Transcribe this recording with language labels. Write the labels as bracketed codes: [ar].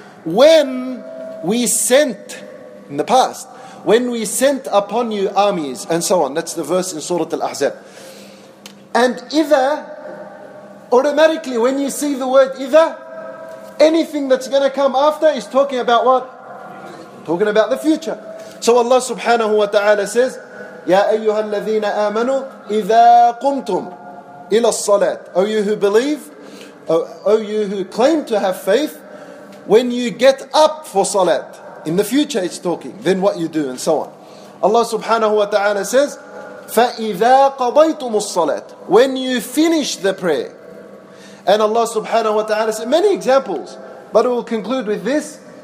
[en] When we sent, in the past, when we sent upon you armies, and so on. That's the verse in Surah Al-Ahzab. And إِذَا, automatically when you see the word إِذَا, anything that's going to come after is talking about what? Talking about the future. So Allah subhanahu wa ta'ala says, [ar] يَا أَيُّهَا الَّذِينَ آمَنُوا إِذَا قُمْتُمْ إِلَى الصَّلَاةِ. [en] O you who believe, O you who claim to have faith, when you get up for salat, in the future it's talking, then what you do and so on. Allah subhanahu wa ta'ala says, [ar] فَإِذَا قَضَيْتُمُ الصَّلَاةِ. [en] When you finish the prayer. And Allah subhanahu wa ta'ala said, many examples, but we'll conclude with this.